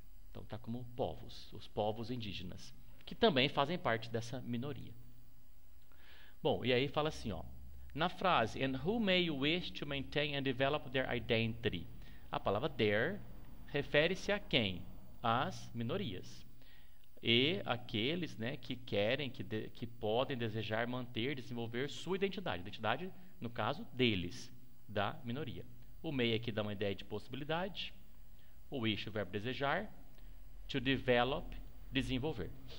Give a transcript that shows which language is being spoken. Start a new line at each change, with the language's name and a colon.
Portuguese: Então, está como povos, os povos indígenas, que também fazem parte dessa minoria. Bom, e aí fala assim, ó. Na frase,
English: and who may wish to maintain and develop their identity?
Portuguese: A palavra their refere-se a quem? Às minorias. E aqueles, né, que querem, que podem desejar manter, desenvolver sua identidade. Identidade, no caso, deles, da minoria. O may aqui dá uma ideia de possibilidade. O wish, o verbo desejar. To develop, desenvolver.